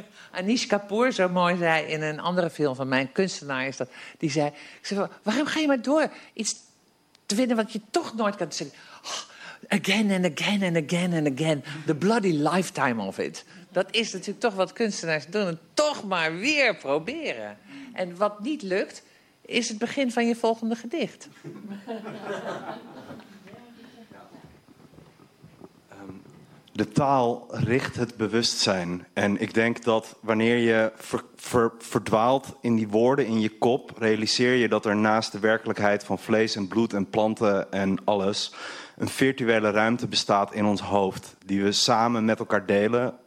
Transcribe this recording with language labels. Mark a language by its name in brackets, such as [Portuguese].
[Dutch] Anish Kapoor zo mooi zei in een andere film van mijn kunstenaar is dat. Die zei, ik zei, waarom ga je maar door iets te vinden wat je toch nooit kan zeggen? [English] Oh, again and again and again and again. The bloody lifetime of it. [Dutch] Dat is natuurlijk toch wat kunstenaars doen. En toch maar weer proberen. En wat niet lukt, is het begin van je volgende gedicht. De taal richt het bewustzijn. En ik denk dat wanneer je verdwaalt in die woorden in je kop, realiseer je dat er naast de werkelijkheid van vlees en bloed en planten en alles, een virtuele ruimte bestaat in ons hoofd die we samen met elkaar delen.